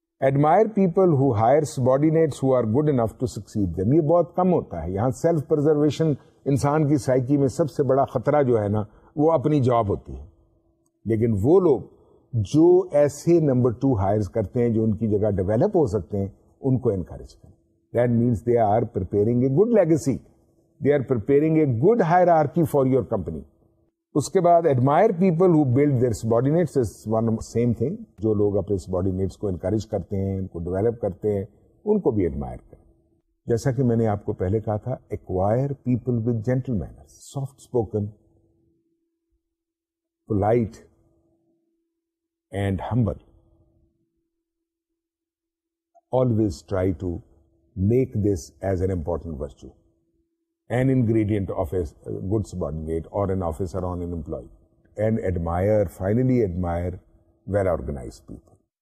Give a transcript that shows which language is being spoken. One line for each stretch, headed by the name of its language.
English: admire people who hire subordinates who are good enough to succeed them,
Urdu: یہ بہت کم ہوتا ہے. یہاں سیلف پرزرویشن انسان کی سائیکی میں سب سے بڑا خطرہ جو ہے نا وہ اپنی جاب ہوتی ہے, لیکن وہ لوگ جو ایسے نمبر ٹو ہائرز کرتے ہیں جو ان کی جگہ ڈیولپ ہو سکتے ہیں ان کو انکریج کریں.
English: That means they are preparing a good legacy, they are preparing a good hierarchy for your company.
Urdu: اس کے بعد
English: admire people who build their subordinates, same thing,
Urdu: جو لوگ اپنے سبارڈینیٹس کو انکریج کرتے ہیں, ان کو ڈیولپ کرتے ہیں, ان کو بھی ایڈمائر کریں. جیسا کہ میں نے آپ کو پہلے کہا تھا,
English: Acquire people with gentle manner, soft spoken, polite and humble, always try to make this as an important virtue, an ingredient of a good subordinate or an officer or an employee, and admire, finally admire well-organized people.